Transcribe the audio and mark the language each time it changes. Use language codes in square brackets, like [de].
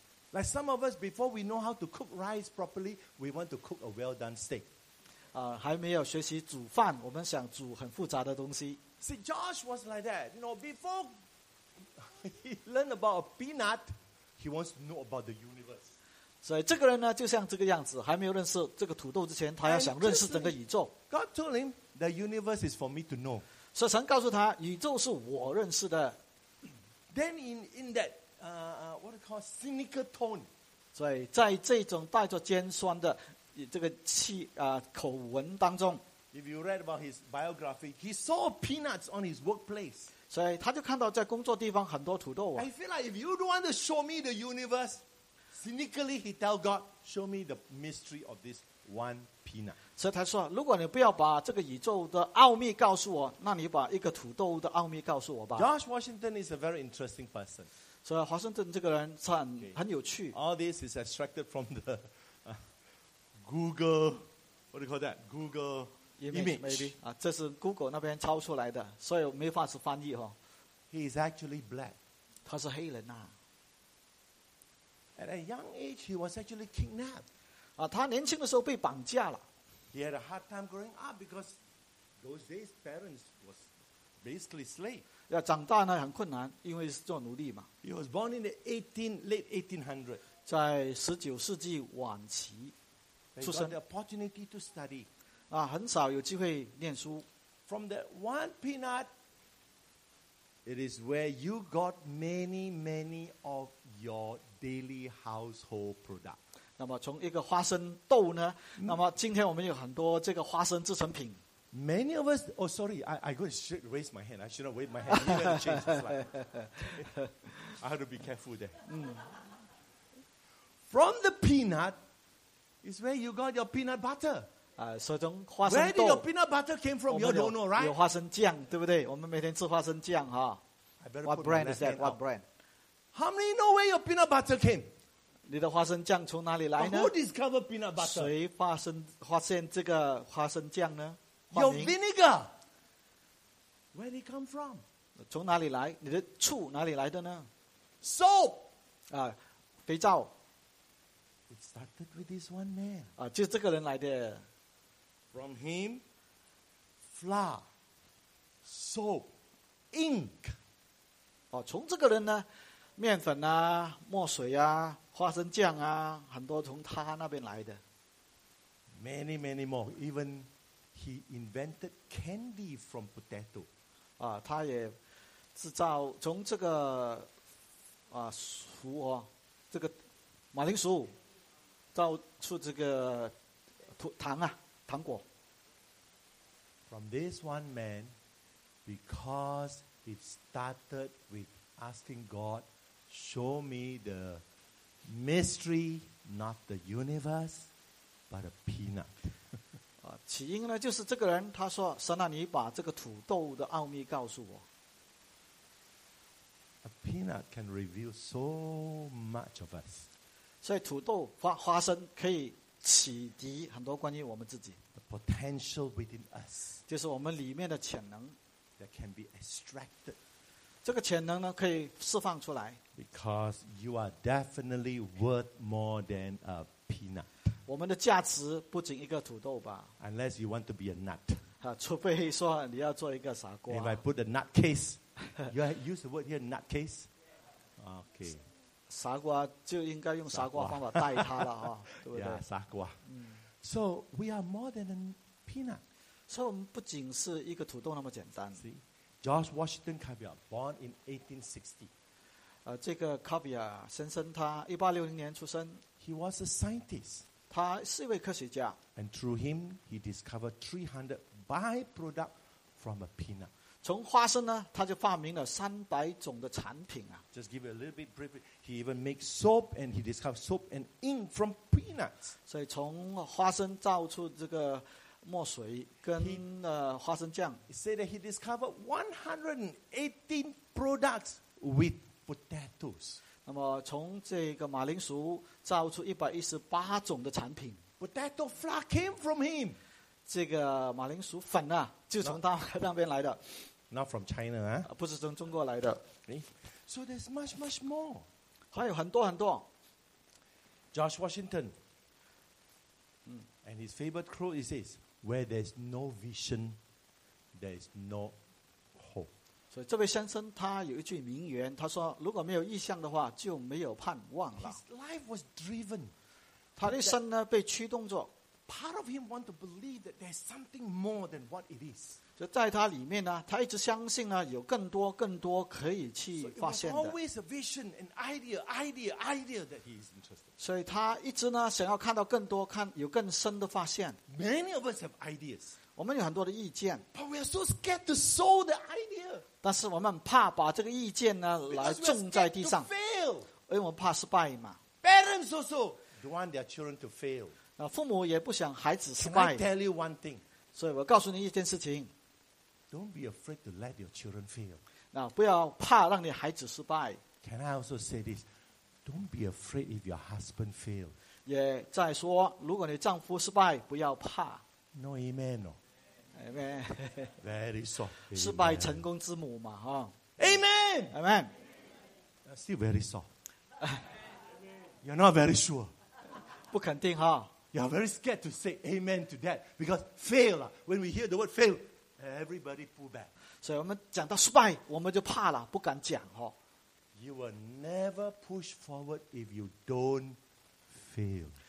[en] Like some of us, before we know how to cook rice properly, we want to cook a well-done steak. [zh] 还没有学习煮饭，我们想煮很复杂的东西。 [en] See, Josh was like that. You know, before he learned about a peanut, he wants to know about the universe. [zh] 所以这个人呢，就像这个样子，还没有认识这个土豆之前，他要想认识整个宇宙。 [en] God told him, the universe is for me to know. [zh] 所以神告诉他，宇宙是我认识的。 [en] Then in that what do you call cynical tone. [zh] 所以在这种带着尖酸的这个气口吻当中。 [en] If you read about his biography, he saw peanuts on his workplace. [zh] 所以他就看到在工作地方很多土豆。 [en] I feel like if you don't want to show me the universe, cynically he tell God, show me the mystery of this one peanut. [zh] 所以他说，如果你不要把这个宇宙的奥秘告诉我，那你把一个土豆的奥秘告诉我吧。 [en] George Washington is a very interesting person. [zh] 所以华盛顿这个人很有趣。 [en] Okay. All this is extracted from the Google, what do you call that? Google image. Maybe [zh] 这是 Google 那边抄出来的，所以没法子翻译哦。 [en] He is actually black. [zh] 他是黑人啊。 [en] At a young age, he was actually kidnapped. [zh] 他年轻的时候被绑架了。 [en] He had a hard time growing up because those days parents was basically slave. [zh] 要长大呢很困难，因为是做奴隶嘛。 [en] He was born in the late 1800. [zh] 在十九世纪晚期出生。 [en] They got the opportunity to study. [zh] 很少有机会念书。 [en] From that one peanut, it is where you got many, many of your daily household products. [zh] 那么从一个花生豆呢，那么今天我们有很多这个花生制成品。 [en] Many of us, oh sorry, I go and raise my hand. I should not wave my hand. You better change the slide. I have to be careful there. From the peanut is where you got your peanut butter. [zh] 所以从花生豆。 [en] Where did your peanut butter came from? You don't know, right? [zh] 有花生酱，对不对？我们每天吃花生酱哈。 [en] What brand is that? What brand? How many know where your peanut butter came? [zh] 你的花生酱从哪里来呢？ [en] Who discovered peanut butter? [zh] 谁发现这个花生酱呢？ [en] Your vinegar. Where did it come from? [zh] 从哪里来？你的醋哪里来的呢？ [en] Soap. [zh] 肥皂。 [en] It started with this one man. [zh] 就这个人来的。 [en] From him, flour, soap, ink. [zh] 从这个人呢，面粉啊，墨水啊。花生酱啊，很多从他那边来的。 [en] Many, many more. Even he invented candy from potato. [zh] 他也制造从这个薯哦，这个马铃薯，造出这个糖啊，糖果。 [en] From this one man, because he started with asking God, "Show me the." Mystery, not the universe, but a peanut. [zh] 起因呢，就是这个人他说：“神啊，你把这个土豆的奥秘告诉我。” [en] A peanut can reveal so much of us. [zh] 所以土豆花生可以启迪很多关于我们自己。 [en] The potential within us. [zh] 就是我们里面的潜能。 [en] That can be extracted. [zh] 这个潜能呢，可以释放出来。 [en] Because you are definitely worth more than a peanut. [zh] 我们的价值不仅一个土豆吧。 [en] Unless you want to be a nut. [zh] 除非说你要做一个傻瓜。 [en] If I put a nutcase, you use the word here, nutcase. Okay. [zh] 傻瓜就应该用傻瓜方法带它了啊，对不对？傻瓜。 [en] So we are more than a peanut. [zh] 所以我们不仅是一个土豆那么简单。 [en] See, George Washington Cuvier, born in 1860. [zh] 这个 Cuvier 先生他1860年出生。 [en] He was a scientist. [zh] 他是一位科学家。 [en] And through him, he discovered 300 byproducts from a peanut. [zh] 从花生呢，他就发明了300种的产品啊。 [en] Just give it a little bit briefly. He even makes soap, and he discovered soap and ink from peanuts. [zh] 所以从花生造出这个墨水跟花生酱。 [en] He said that he discovered 118 products with potatoes. [zh] 那么从这个马铃薯造出118种的产品。 [en] Potato flour came from him. [zh] 这个马铃薯粉啊，就从他那边来的。 [en] Not from China 啊， [zh] 不是从中国来的。 [en] So there's much, much more. [zh] 还有很多很多。 [en] George Washington. And his favorite quote is this: "Where there's no vision, there's no hope." [zh] 所以这位先生他有一句名言，他说：“如果没有意向的话，就没有盼望了。” [en] His life was driven. [zh] 他的生呢被驱动着。 [en] Part of him want to believe that there's something more than what it is. [zh] 就在他里面呢，他一直相信呢，有更多更多可以去发现的。 [en] So it was always a vision, an idea, idea, idea that he is interested. [zh] 所以他一直呢，想要看到更多，看有更深的发现。 [en] Many of us have ideas. [zh] 我们有很多的意见。 [en] But we are so scared to sow the idea. [zh] 但是我们怕把这个意见呢，来种在地上。 [en] Because we're scared to fail. [zh] 因为我怕失败嘛。 [en] Parents also don't want their children to fail. [zh] 父母也不想孩子失败。 [en] Can I tell you one thing? [zh] 所以我告诉你一件事情。 [en] Don't be afraid to let your children fail. [zh] 不要怕让你孩子失败。 [en] Can I also say this? Don't be afraid if your husband fails. [zh] 也再说，如果你丈夫失败，不要怕。 [en] No, amen, no. Amen. Very soft. [zh] 失败成功之母嘛，哈。 [en] Amen. Amen. Still very soft. You're not very sure. [zh] 不肯定哈。 [en] You're very scared to say amen to that because fail. When we hear the word fail, everybody pull back. [zh] 所以我们讲到失败，我们就怕了，不敢讲哈。 [en] You will never push forward if you don't fail.